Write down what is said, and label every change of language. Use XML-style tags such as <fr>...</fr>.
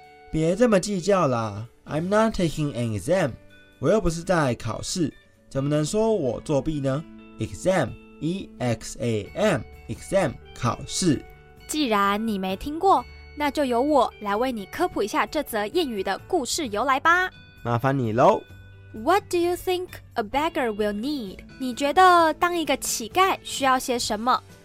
<zh>别这么计较啦 ，</zh> <en>I'm not taking an exam，</en> <zh>我又不是在考试，怎么能说我作弊呢？</zh> <en>Exam, E-X-A-M, exam,</en> <zh>考试。既然你没听过，那就由我来为你科普一下这则谚语的故事由来吧。麻烦你喽。</zh> <en>What do you think a beggar will need?</en> <zh>你觉得当一个乞丐需要些什么？</zh>